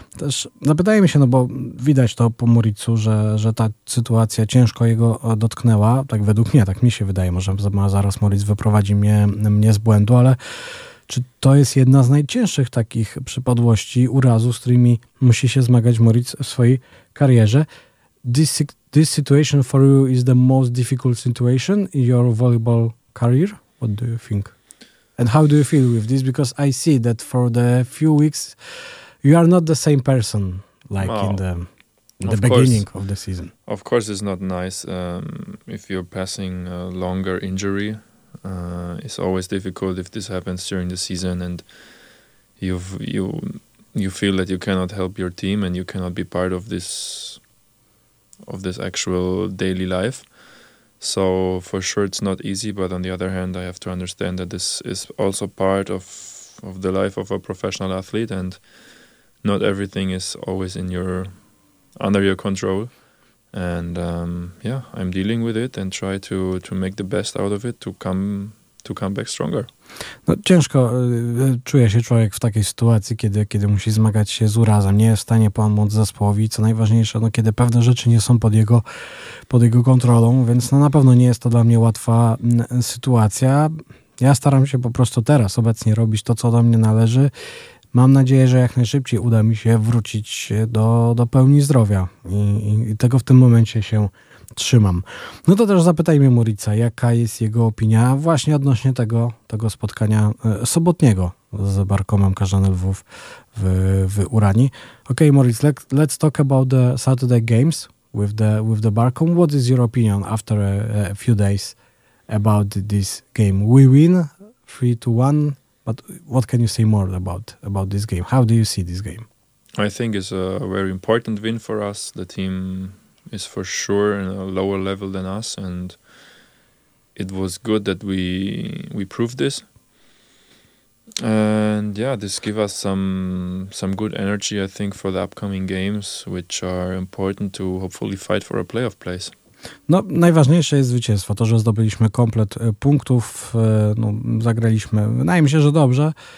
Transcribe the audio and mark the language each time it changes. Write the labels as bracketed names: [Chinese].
[Polish] Też zapytajmy się, no bo widać to po Muricu, że ta sytuacja ciężko jego dotknęła, tak według mnie, tak mi się wydaje, może zaraz Muric wyprowadzi mnie z błędu, ale czy to jest jedna z najcięższych takich przypadłości, urazów, z którymi musi się zmagać Moritz w swojej karierze? [English] This situation for you is the most difficult situation in your volleyball career? What do you think? And how do you feel with this? Because I see that for the few weeks you are not the same person like in the beginning of the season. Of course it's not nice if you're passing a longer injury. It's always difficult if this happens during the season and you feel that you cannot help your team and you cannot be part of this actual daily life. So for sure it's not easy, but on the other hand I have to understand that this is also part of the life of a professional athlete and not everything is always under your control. And I'm dealing with it and try to make the best out of it to come back stronger. [Polish] No ciężko czuje się człowiek w takiej sytuacji, kiedy musi zmagać się z urazem, nie jest w stanie pomóc zespołowi, co najważniejsze, no kiedy pewne rzeczy nie są pod jego kontrolą, więc no, na pewno nie jest to dla mnie łatwa sytuacja. Ja staram się po prostu teraz obecnie robić to, co do mnie należy. Mam nadzieję, że jak najszybciej uda mi się wrócić do pełni zdrowia i tego w tym momencie się trzymam. No to też zapytajmy Murica, jaka jest jego opinia właśnie odnośnie tego spotkania sobotniego z Barkomem Każany-Lwów w Uranii. [English] Okay, Moritz, let's talk about the Saturday games with the Barkom. What is your opinion after a few days about this game? We win 3-1. But what can you say more about this game? How do you see this game? I think it's a very important win for us. The team is for sure in a lower level than us, and it was good that we proved this. And this gives us some good energy, I think, for the upcoming games, which are important to hopefully fight for a playoff place. [Polish] No, najważniejsze jest zwycięstwo, to, że zdobyliśmy komplet punktów, no, zagraliśmy, wydaje mi się, że dobrze.